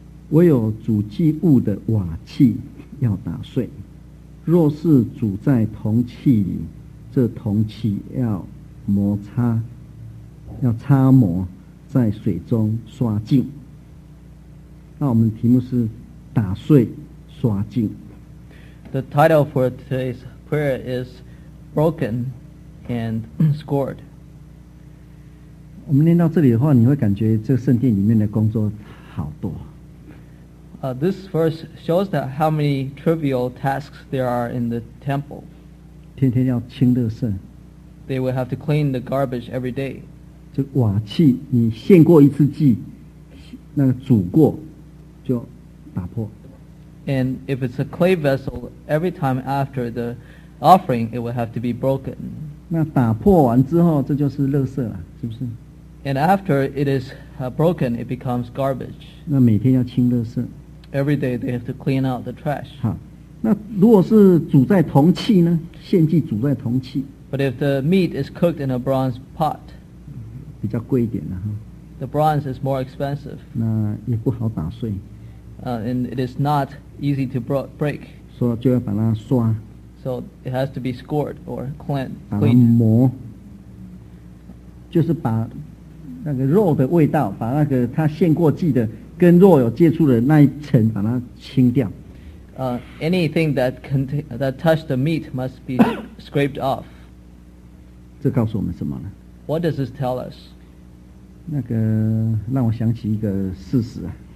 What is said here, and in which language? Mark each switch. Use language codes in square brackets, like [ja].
[zh] 唯有主祭物的瓦器要打碎。若是煮在铜器里，这铜器要摩擦，要擦磨，在水中刷净。那我们题目是打碎刷净。 [en] The title for today's prayer is Broken and Scored. [zh] 我们念到这里的话，你会感觉这圣殿里面的工作好多。 [en] This verse shows that how many trivial tasks there are in the temple. [zh] 天天要清垃圾。 [en] They will have to clean the garbage every day. [zh] 这瓦器你献过一次祭，那个煮过就打破。 [en] And if it's a clay vessel, every time after the offering, it will have to be broken. [zh] 那打破完之后，这就是垃圾了，是不是？ [en] And after it is broken, it becomes garbage. [zh] 那每天要清垃圾。 [en] Every day they have to clean out the trash. [zh] 好，那如果是煮在铜器呢？献祭煮在铜器。 [en] But if the meat is cooked in a bronze pot, [zh] 比较贵一点了哈。 [en] The bronze is more expensive. [zh] 那也不好打碎。 [en] And it is not easy to break. [zh] 所以就要把它刷。 [en] So it has to be scored or cleaned. [zh] 把它磨，就是把那个肉的味道，把那个他献过祭的。跟肉有接触的那一层把它清掉。 [en] Anything that touched the meat must be scraped off. [zh] 这告诉我们什么呢？ [en] What does this tell us? [zh] 那个让我想起一个事实啊。